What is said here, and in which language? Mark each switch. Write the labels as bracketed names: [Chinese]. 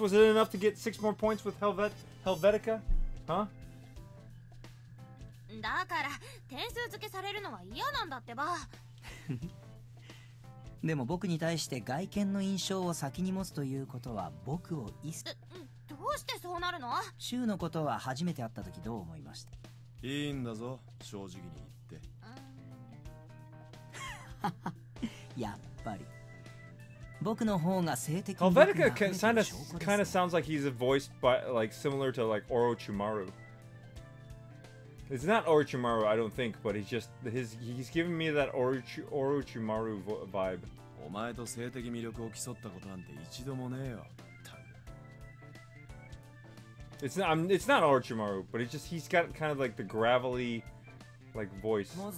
[English] Was it enough to get six more points with Helvetica? Huh? [Japanese] だから点数付けされるのは嫌なんだってば。でも僕に対して外見の印象を先に持つということは僕をいす。どうしてそうなるの？シューのことは初めて会った時どう思いました？いいんだぞ、正直に言って。やっぱり。僕の方が性的に力が溢れてる証拠ですね。 [English] Kind of sounds like he's a voice by, like, similar to, like, Orochimaru. It's not Orochimaru, I don't think, but he's giving me that Orochimaru vibe. [Japanese] お前と性的魅力を競ったことなんて一度もねえよ。 [English] It's not Orochimaru, but it's just he's got kind of like the gravelly, like voice.